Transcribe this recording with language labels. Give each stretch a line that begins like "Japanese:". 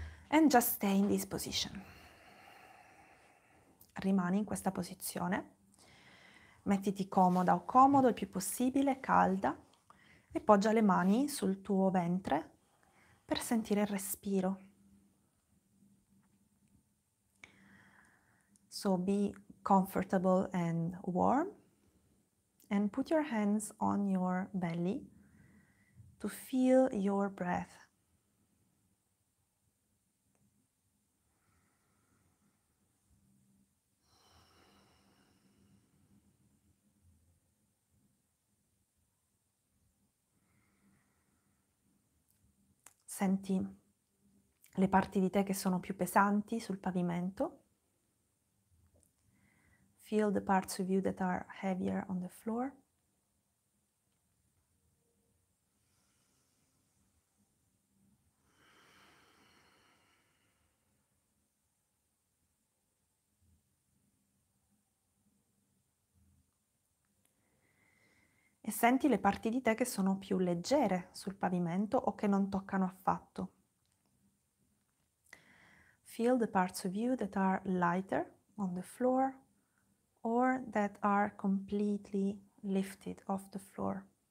English: And just stay in this position.
Italian: Rimani in questa posizione. Mettiti comoda o comodo il più possibile, calda, e poggia le mani sul tuo ventre per sentire il respiro.
English: So be comfortable and warm and put your hands on your belly to feel your breath.
Italian: Senti le parti di te che sono più pesanti sul pavimento.
English: Feel the parts of you that are heavier on the floor.
Italian: E senti le parti di te che sono più leggere sul pavimento o che non toccano affatto.
English: Feel the parts of you that are lighter on the floor or that are completely lifted off the floor.